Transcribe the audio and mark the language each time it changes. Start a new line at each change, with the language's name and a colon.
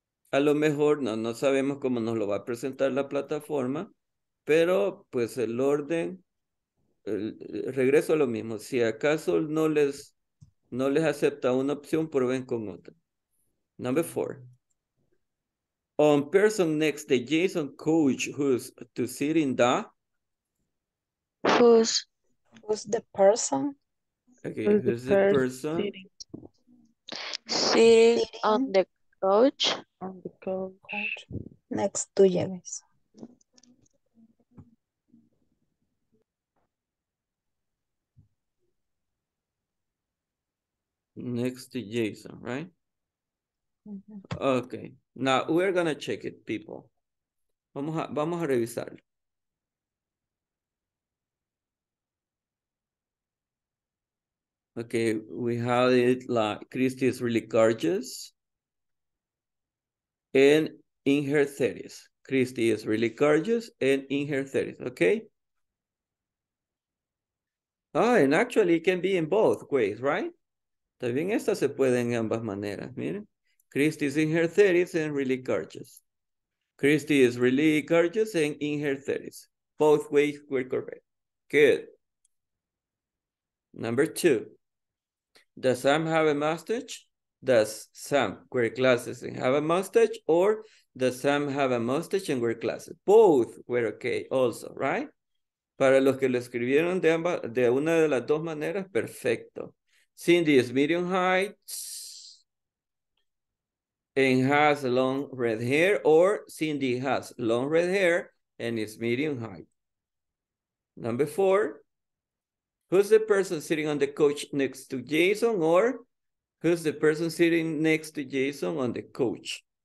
Spanish: A lo mejor no sabemos cómo nos lo va a presentar la plataforma, pero pues el orden, regreso a lo mismo. Si acaso no les acepta una opción, prueben con otra.
English: Number four. On person next, the Jason coach who's to sit in the. Who's the person? Okay, who's the person? Sitting on the couch. On the couch. Next to James. Next to Jason, right? Mm-hmm. Okay. Now we're gonna check it, people.
Spanish: Vamos a revisarlo.
English: Okay, we have it like Christy is really gorgeous and in her 30s. Christy is really gorgeous and in her 30s, okay? Oh, and actually it can be in both ways, right?
Spanish: También esta se puede en ambas maneras, miren.
English: Christy is in her 30s and really gorgeous. Christy is really gorgeous and in her 30s. Both ways were correct. Good. Number two. Does Sam have a mustache? Does Sam wear glasses and have a mustache? Or does Sam have a mustache and wear glasses? Both were okay also, right?
Spanish: Para los que lo escribieron de ambas, de una de las dos maneras, perfecto.
English: Cindy is medium height and has long red hair. Or Cindy has long red hair and is medium height. Number four. Who's the person sitting on the couch next to Jason? Or who's the person sitting next to Jason on the couch?